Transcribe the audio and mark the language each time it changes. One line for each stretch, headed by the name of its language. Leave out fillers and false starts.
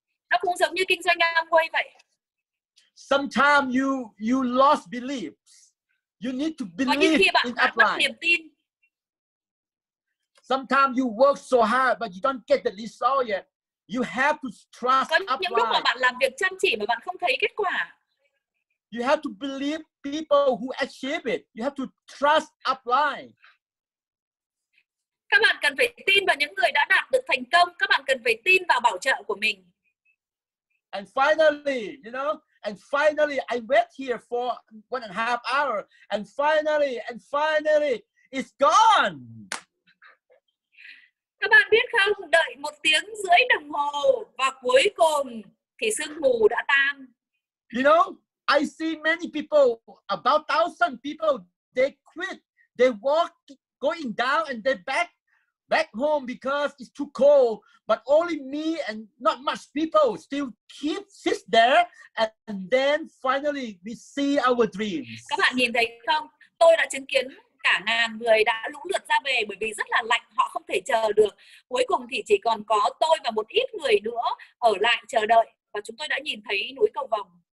Vietnamese: Nó cũng giống như kinh doanh Amway vậy.
English: Sometimes you lost beliefs. You need to believe in upline.
Vietnamese: Có những khi bạn mất niềm tin.
English: Sometimes you work so hard but you don't get the result yet. You have to trust upline.
Vietnamese: Có những lúc mà bạn làm việc chăm chỉ mà bạn không thấy kết quả.
English: You have to believe people who achieve it. You have to trust upline.
Vietnamese: Các bạn cần phải tin vào những người đã đạt được thành công. Các bạn cần phải tin vào bảo trợ của mình.
English: And finally, you know, and finally, I wait here for 1.5 hours, and finally, it's gone.
Vietnamese: Các bạn biết không, đợi 1.5 tiếng đồng hồ và cuối cùng thì sương mù đã tan.
English: You know, I see many people, about 1,000 people, they quit, they walk, going down, and they back home because it's too cold, but only me and not much people still keep sit there, and then finally we see our dreams.
Vietnamese: Các bạn nhìn thấy không? Tôi đã chứng kiến cả ngàn người đã lũ lượt ra về bởi vì rất là lạnh, họ không thể chờ được. Cuối cùng thì chỉ còn có tôi và một ít người nữa ở lại chờ đợi và chúng tôi đã nhìn thấy núi cầu vồng.